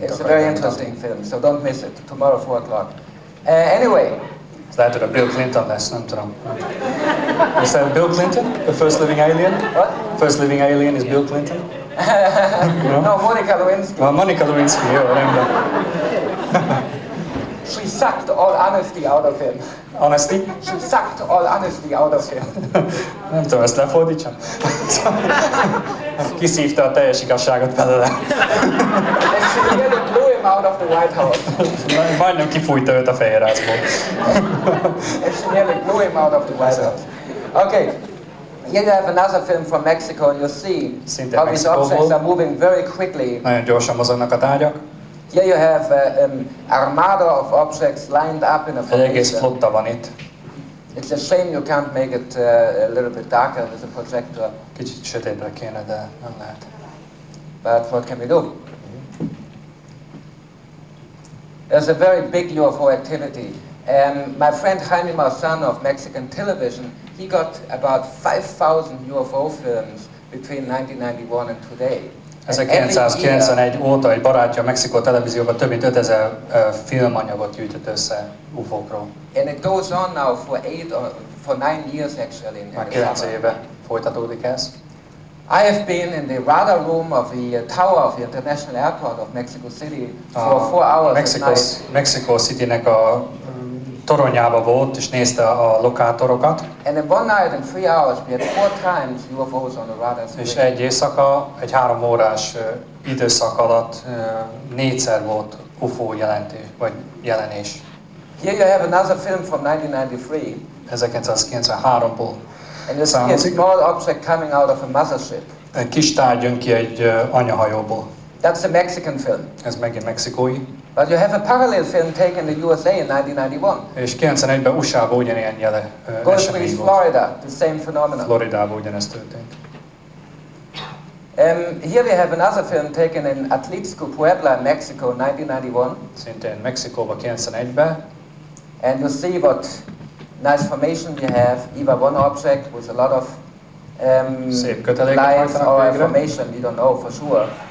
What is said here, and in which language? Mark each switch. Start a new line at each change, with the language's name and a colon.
English: It's a very interesting film, so don't miss it. Tomorrow 4 o'clock. Anyway.
Hungarian: Ez lehet, hogy a Bill Clinton lesz, nem tudom.
English: Is that Bill Clinton, the first living alien? What? First living alien is Bill Clinton? No? No, Monica Lewinsky. Well, Monica Lewinsky, you remember. She sucked all honesty out of him. Honesty? She sucked all honesty out of him.
Hungarian: Nem tudom, ezt lefordítsam. Kiszívta a teljes igazságot belőle.
English: And she nearly blew him out of the White House.
Hungarian: Majdnem kifújta őt a fehérházból.
English: And she nearly blew him out of the White House. Okay. Here you have another film from Mexico, and you see
Hungarian: Szinte
English: how Mexico these objects are moving very quickly.
Hungarian: Nagyon gyorsan mozognak a tárgyak.
English: Here you have an armada of objects lined up in a formation.
Hungarian: Egy egész flotta van itt.
English: It's a shame you can't make it a little bit darker with a projector.
Hungarian: Kicsit sötétbe kéne, de nem lehet.
English: But what can we do? There's a very big UFO activity. My friend Jaime Marzano of Mexican television, he got about 5,000 UFO films between 1991 and today.
Hungarian: 1991 óta egy barátja Mexikó televízióban több mint 5000 filmanyagot gyűjtött össze UFO-król.
English: And it goes on now for nine years actually.
Hungarian: Már 9 éve folytatódik ez.
English: I have been in the radar room of the tower of the International Airport of Mexico City for 4 hours
Hungarian: Mexico City-nek a toronyába volt, és nézte a lokátorokat.
English: And in one night in 3 hours we had 4 times UFOs on the radar screen.
Hungarian: És egy éjszaka, egy 3 órás időszak alatt 4-szer volt UFO jelentés, vagy jelenés.
English: Here you have another film from 1993.
Hungarian: 1993-ból.
English: And this is a small object coming out of a mothership.
Hungarian: Egy kis tárgy jön ki egy anyahajóból.
English: That's a Mexican film.
Hungarian: Ez megint mexikói.
English: But you have a parallel film taken in the USA in 1991.
Hungarian: És 91-ben USA-ban ugyanilyen jele esemény volt.
English: Florida, the same phenomenon.
Hungarian: Floridában ugyanez történt.
English: Here we have another film taken in Atlixco, Puebla, Mexico, 1991.
Hungarian: Szintén Mexikóban, 91-ben.
English: And you see what nice formation we have, either one object with a lot of
Hungarian: szép köteléket
English: lines or a formation, we don't know for sure.